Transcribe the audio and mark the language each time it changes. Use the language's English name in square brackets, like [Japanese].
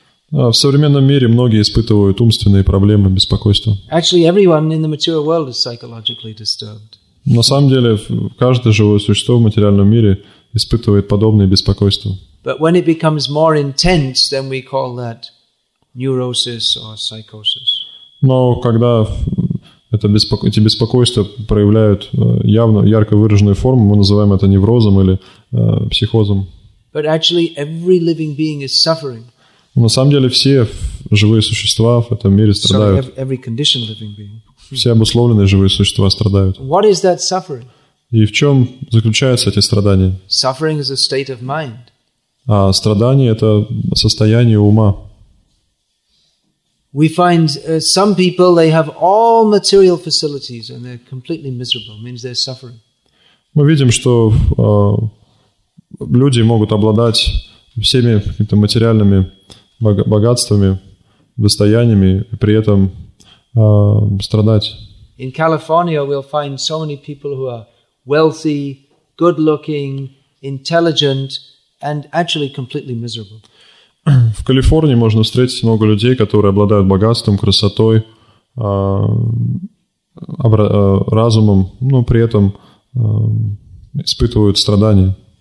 [Russian] В современном мире многие испытывают умственные проблемы, беспокойство. [English] Actually, everyone in the material world is psychologically disturbed. [Russian] На самом деле, каждое живое существо в материальном мире испытывает подобные беспокойства. [English] But when it becomes more intense, then we call that neurosis or psychosis. [Russian] Но когда эти беспокойства проявляют явно ярко выраженную форму, мы называем это неврозом или психозом. [English] But actually, every living being is suffering. [Russian] На самом деле, все живые существа в этом мире страдают. [English] Sorry, every conditioned living being. [Russian] Все обусловленные живые существа страдают. [English] What is that suffering? [Russian] И в чем заключаются эти страдания? [English] Suffering is a state of mind. [Russian] А страдание это состояние ума. [English] We find some people they have all material facilities and they're completely miserable. Means they're suffering. [Russian] Мы видим, что люди могут обладать всеми какими-то материальными богатствами, достояниями, при этом страдать. [English] In California, we'll find so many people who are wealthy, good-looking, intelligent, and actually completely miserable. [Russian] В Калифорнии можно встретить много людей, которые обладают богатством, красотой, разумом, но при этом испытывают страдания.